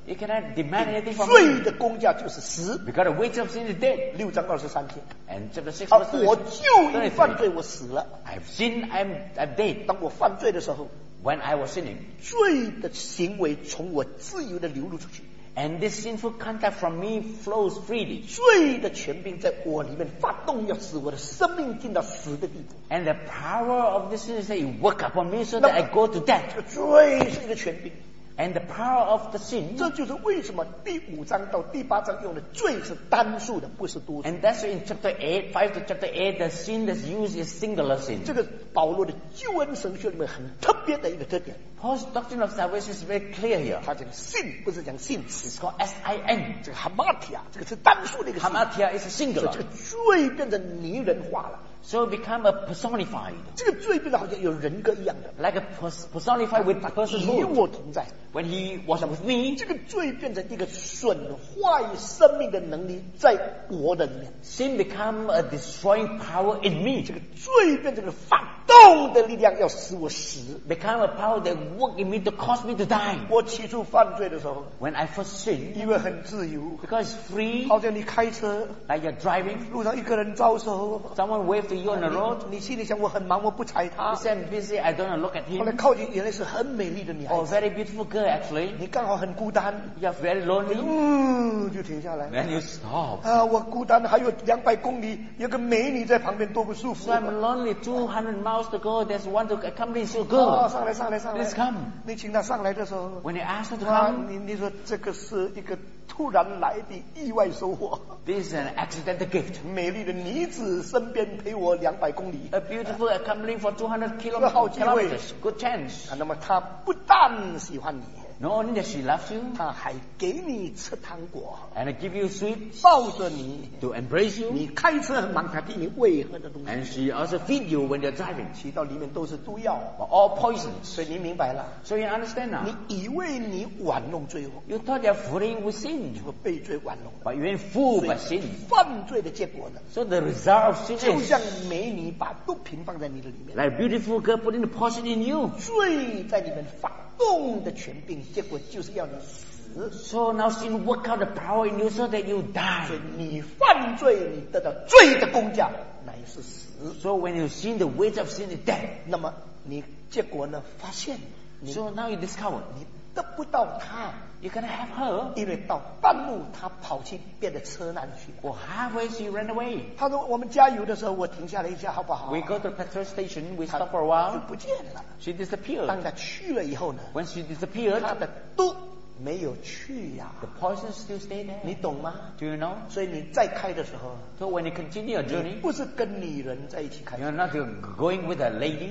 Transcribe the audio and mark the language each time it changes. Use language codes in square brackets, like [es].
[en] You cannot demand anything from me. [zh] 罪的工价就是死。 [en] Because the wage of sin is death. [zh] 六章二十三节。 [en] And chapter 6 verse 3. [zh] 我就因犯罪我死了。 [en] I've sinned, I'm dead. [zh] 当我犯罪的时候。 [en] When I was sinning. [zh] 罪的行为从我自由地流露出去。 [en] And this sinful conduct from me flows freely. [zh] 罪的权柄在我里面发动，要使我的生命进到死的地步。 [en] And the power of this sin is that it works upon me so that I go to death. [zh] 罪是一个权柄。 [en] And the power of the sin. [zh] 这就是为什么第五章到第八章用的罪是单数的，不是多数。 [en] And that's in chapter 8, 5 to chapter 8, the sin that's used is singular sin. [zh] 这个保罗的救恩神学里面很特别的一个特点。 [en] Paul's doctrine of salvation is very clear here. [zh] 他讲信不是讲信词。 [en] It's called S-I-N. [zh] 这个 hamartia, 这个是单数的一个。 [en] Hamartia is a singular. [zh] 这个罪变成拟人化了。 [en] So it become a personified. [zh] 这个罪变得好像有人格一样的。 [en] Like a personified with personhood. [zh] 与我同在。 [en] When he was with me. [zh] 这个罪变成一个损坏生命的能力在我的里面。 [en] Sin become a destroying power in me. [zh] 这个罪变成一个发动的力量要使我死。 [en] Become a power that work in me to cause me to die. [zh] 我起初犯罪的时候。 [en] When I first sin. [zh] 因为很自由。 [en] Because it's free. [zh] 好像你开车。 [en] Like you're driving. [zh] 路上一个人招手。 [en] Someone waves to you on the road. [zh] 你心里想我很忙我不睬他。 [en] You say I'm busy, I don't look at him. [zh] 后来靠近原来是很美丽的女孩子。 [en] Oh, very beautiful girl actually. [zh] 你刚好很孤单。 [en] You're very lonely. [zh] 就停下来。 [en] Then you stop. [zh] 啊，我孤单还有两百公里，有个美女在旁边多不舒服。 [en] So I'm lonely, 200 miles to go, there's one to accompany you, girl. [zh] 哦，上来上来上来。 [en] Please come. [zh] 你请她上来的时候。 [en] When you ask her to come. [zh] 你说这个是一个突然来的意外收获。 [en] This is an accidental gift. [zh] 美丽的女子身边陪我两百公里。 [en] A beautiful accompanying for 200 kilometers. [zh] 好机会。 [en] Good chance. [zh] 啊，那么她不但喜欢你。 [en] No, only that she loves you. [zh] 她还给你吃糖果。 [en] And give you sweets. [zh] 抱着你。 [en] To embrace you. [zh] 你开车很忙，她给你喂喝的东西。 [en] And she also feed you when you're driving. [zh] 其到里面都是毒药。 [en] But all poisons. [zh] 所以你明白了。 [en] So you understand now. [zh] 你以为你玩弄罪恶。 [en] You thought you're fooling with sin. [zh] 你会被罪玩弄。 [en] But you ain't fooled by sin. [zh] 犯罪的结果呢？ [en] So the result of sin is. [zh] 就像美女把毒品放在你的里面。 [en] Like beautiful girl putting the poison in you. [zh] 罪在里面发。动的权柄，结果就是要你死。 [en] So now sin work out the power in you so that you die. [zh] 所以你犯罪，你得到罪的工价乃是死。 [en] So when you sin, the wage of sin is death. [zh] 那么你结果呢？发现。 [en] So now you discover. [zh] 你得不到他。 [en] You cannot have her. [zh] 因为到半路，他跑去别的车那里去。 [en] Well, halfway she ran away. [zh] 他说我们加油的时候，我停下来一下，好不好 [en] ？We go to the petrol station. We stop for a while. [zh] 就不见了。 [en] She disappeared. [zh] 当他去了以后呢 [en] ？When she disappeared, [zh] 他的毒没有去呀。 [en] The poison still stayed there. [zh] 你懂吗 [en] ？Do you know? [zh] 所以你再开的时候 [en] ，So when you continue your journey, [zh] 不是跟女人在一起开。 [en] You're not going with a lady.